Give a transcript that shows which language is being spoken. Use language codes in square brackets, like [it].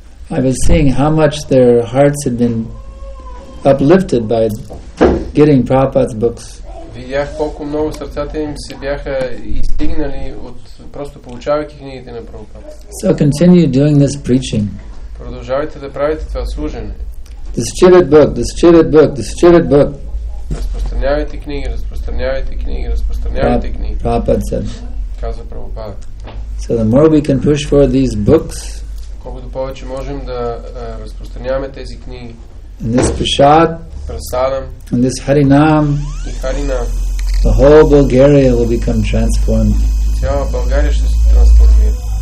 [en] I was seeing how much their hearts had been uplifted by getting Prabhupada's books. [bg] Видях колко много сърцата им се бяха изтигнали от просто получавайки книгите на Прабхупад. [en] So continue doing this preaching. [bg] Продължавайте да правите това служене. [en] Distribute book, distribute book, distribute book. [bg] Разпространявайте книги, разпространявайте книги, разпространявайте книги. [en] Прабхупад said. [bg] Каза Прабхупад. [en] So the more we can push for these books, [bg] колкото повече можем да разпространяваме тези книги, [en] and this prasad, prasadam, and this harinam, [bg] и харинам, [en] the whole Bulgaria will become transformed. [bg] Цяла България ще се трансформира.